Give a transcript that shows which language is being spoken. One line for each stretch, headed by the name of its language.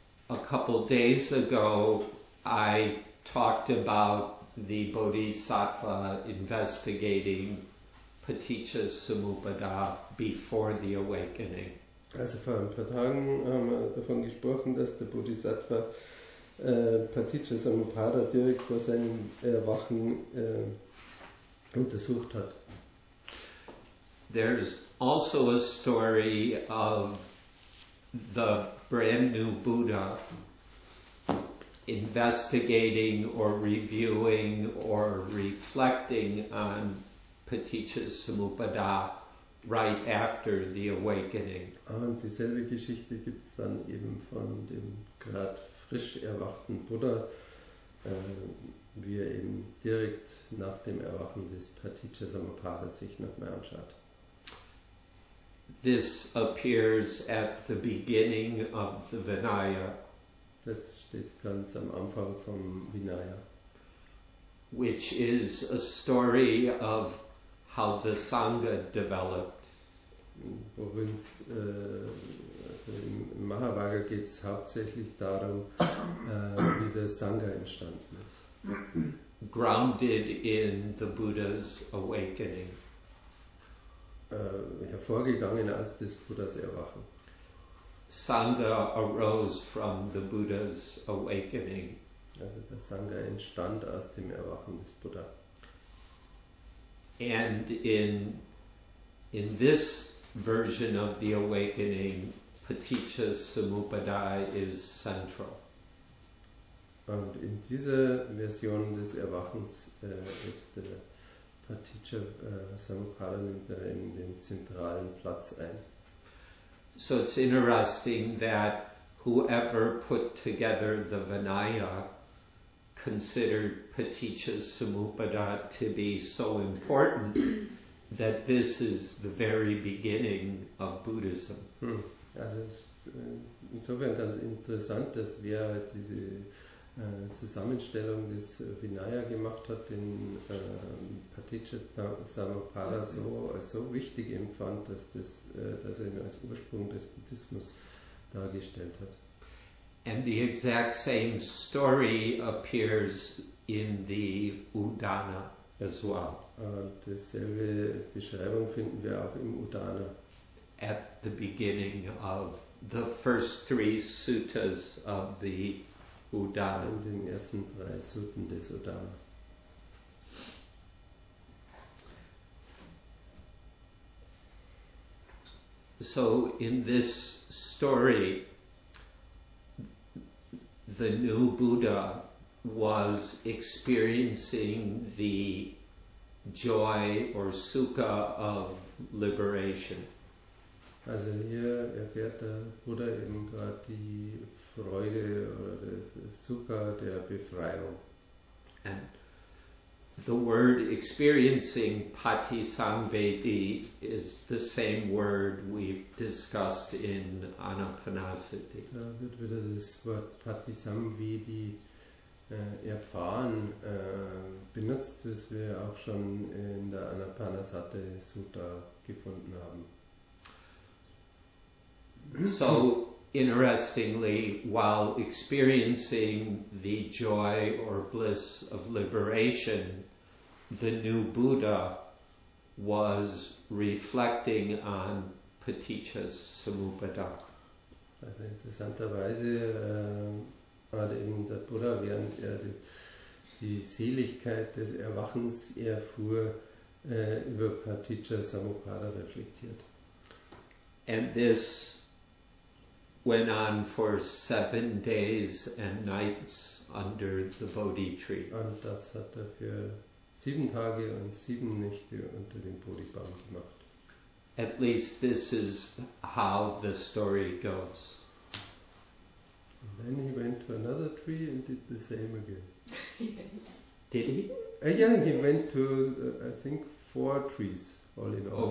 English: A couple days ago, I talked about the Bodhisattva investigating Paticca's Samuppada before the awakening.
German: Also vor ein paar Tagen haben wir davon gesprochen, dass der Bodhisattva Paticca Samuppada direkt vor seinem Erwachen untersucht hat.
English: There's also a story of the brand new Buddha investigating or reviewing or reflecting on Paticca Samuppada right after the awakening.
German: Und dieselbe Geschichte gibt es dann eben von dem gerade frisch erwachten Buddha, wie er eben direkt nach dem Erwachen des Paticca Samuppada sich nochmal anschaut.
English: This appears at the beginning of the Vinaya.
German: Das steht ganz am Anfang vom Vinaya.
English: Which is a story of how the Sangha developed.
German: Worin es also im Mahavagga geht es hauptsächlich darum, wie der Sangha entstanden ist.
English: Grounded in the Buddha's awakening.
German: Hervorgegangen aus des Buddhas Erwachen.
English: Sangha arose from the Buddha's awakening.
German: Also der Sangha entstand aus dem Erwachen des Buddha.
English: And in this version of the awakening, Paticca Samuppada is central.
German: Und in dieser Version des Erwachens ist der Paticca Samuppada nimmt er in den zentralen Platz ein.
English: So it's interesting that whoever put together the Vinaya considered Paticca Samuppada to be so important that this is the very beginning of Buddhism.
German: Also es ist insofern ganz interessant, dass wer diese Zusammenstellung des Vinaya gemacht hat, den Paticca Samuppada so als so wichtig empfand, dass er ihn als Ursprung des Buddhismus dargestellt hat.
English: And the exact same story appears in the Udana as well.
German: Dieselbe Beschreibung finden wir auch im Udana.
English: At the beginning of the first 3 suttas of the Udana.
German: In den ersten 3 Sutten des Udana.
English: So in this story, the new Buddha was experiencing the joy or sukha of liberation.
German: Also hier erfährt der Buddha eben gerade die Freude oder das Sukha der Befreiung.
English: And the word experiencing, patisamvedi, is the same word we've discussed in Anapanasati.
German: Da wird wieder das Wort patisamvedi erfahren benutzt, das wir auch schon in der Anapanasati Sutta gefunden haben.
English: So, interestingly, while experiencing the joy or bliss of liberation, the new Buddha was reflecting on Paticca's Samuppada.
German: Also interessanterweise hat eben der Buddha, während er die Seligkeit des Erwachens erfuhr, über Paticca Samuppada reflektiert.
English: And this went on for 7 days and nights under the Bodhi tree.
German: Und das hat er für 7 Tage und 7 Nächte unter dem Bodhibaum gemacht.
English: At least this is how the story goes. And then he went to another tree and did the same again. Yes. Did he? Yeah, he went to, I think, 4 trees all in all.